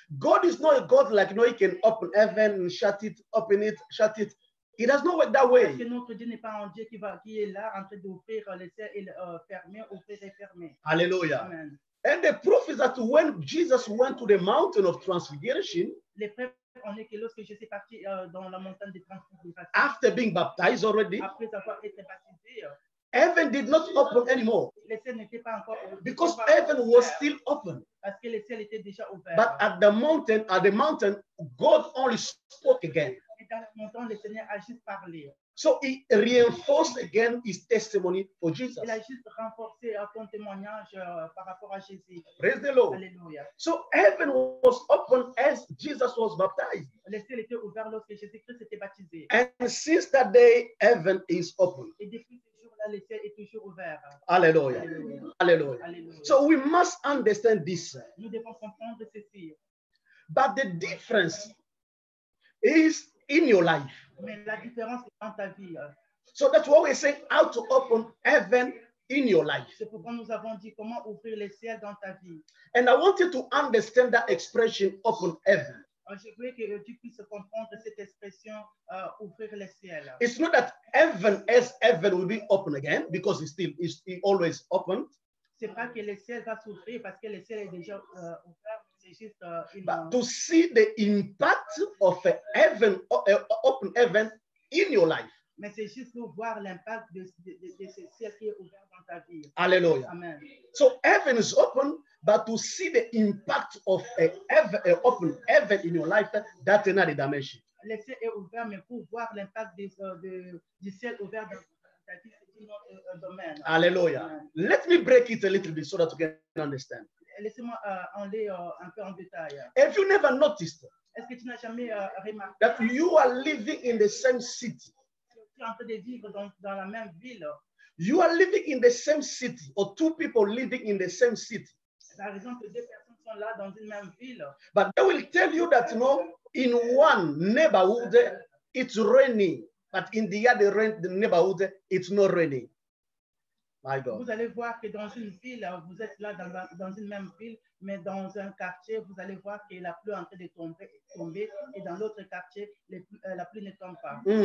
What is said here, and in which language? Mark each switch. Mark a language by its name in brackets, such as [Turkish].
[English] God is not a God like, you know, he can open heaven and shut it, open it, shut it. It does not work that way. [French] Parce que notre Dieu n'est pas un Dieu qui est là en train d'ouvrir le ciel et fermer, ouvrir et fermer. Alléluia. [English] And the proof is that when Jesus went to the mountain of transfiguration, [French] les preuves en est que lorsque Jésus est parti dans la montagne de transfiguration, [English] after being baptized already, [French] après avoir été baptisé, [English] heaven did not open anymore. [French] Le ciel n'était pas encore ouvert. [English] Because heaven was still open. [French] Parce que le ciel était déjà ouvert. [English] But at the mountain, God only spoke again. [French] Dans le Seigneur a juste parlé. [English] So he reinforced again his testimony for Jesus. [French] Il a juste renforcé son témoignage par rapport à Jésus. [English] Praise the Lord. [French] Alléluia. [English] So heaven was open as Jesus was baptized. [French] Le ciel était ouvert lorsque Jésus-Christ était baptisé. [English] And since that day, heaven is open. [French] Et depuis ce jour-là, le ciel est toujours ouvert. Alléluia. Alléluia. [English] So we must understand this. [French] Nous devons comprendre ceci. [English] But the difference is in your life. [French] Mais la différence est dans ta vie. [English] So that's what we say, how to open heaven in your life. [French] C'est pourquoi nous avons dit comment ouvrir le ciel dans ta vie. [English] And I want you to understand that expression, open heaven. [French] Je veux que tu puisses comprendre cette expression, ouvrir le ciel. [English] It's not that heaven as heaven will be open again, because it's always open. [French] C'est pas que le ciel va s'ouvrir parce que le ciel est déjà ouvert. [English] But to see the impact of open heaven in your life. [French] Mais c'est juste pour voir l'impact de ce ciel qui est ouvert dans ta vie. Alléluia. Amen. [English] So heaven is open, but to see the impact of an open heaven in your life, that's another dimension. [French] Le ciel est ouvert, mais pour voir l'impact du ciel ouvert dans ta vie, c'est un autre domaine. Alléluia. [English] Let me break it a little bit so that you can understand. [French] Laissez-moi enlever un peu en détail. [English] Have you never noticed? [French] Est-ce que tu n'as jamais remarqué? [English] That you are living in the same city. [French] Tu es en train de vivre dans la même ville. [English] You are living in the same city, or two people living in the same city. [French] Par exemple, deux personnes sont là dans une même ville. [English] But they will tell you that, you know, in one neighborhood it's raining, but in the other neighborhood it's not raining. My God. [French] Vous allez voir que dans une ville, vous êtes là dans une même ville, mais dans un quartier, vous allez voir que la pluie est en train de tomber, et dans l'autre quartier, la pluie ne tombe pas.